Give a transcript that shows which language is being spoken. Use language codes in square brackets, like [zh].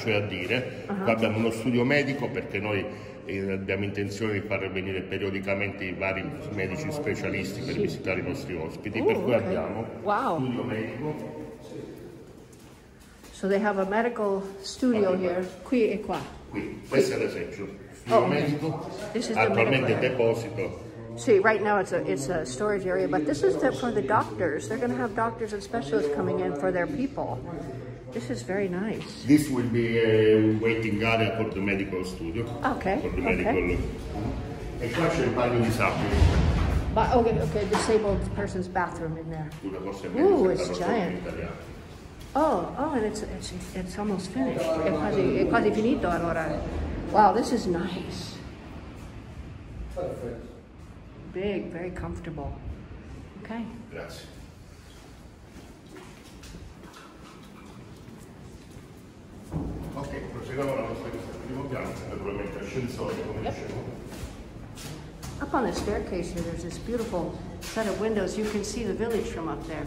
[it] Cioè a dire, qua abbiamo uno studio medico perché noi abbiamo intenzione di far venire periodicamente i vari medici specialisti per visitare i nostri ospiti, per cui abbiamo studio medico. [en] So they have a medical studio here, [it] qui e qua. Qui, questo è l'esempio, studio medico, attualmente deposito. [en] See, right now it's a storage area, but this is for the doctors. They're going to have doctors and specialists coming in for their people. This is very nice. This will be a waiting area for the medical studio. Okay. For the medical. [it] E qua c'è il bagno disabile. [en] Okay, disabled person's bathroom in there. Ooh, it's giant. Oh, and it's almost finished. [it] È quasi finito allora. [en] Wow, this is nice. Big, very comfortable. Okay. [it] Grazie. Okay, proseguiamo la nostra primo piano, naturalmente ascensore, come dicevo. [en] Up on the staircase here, there's this beautiful set of windows. You can see the village from up there.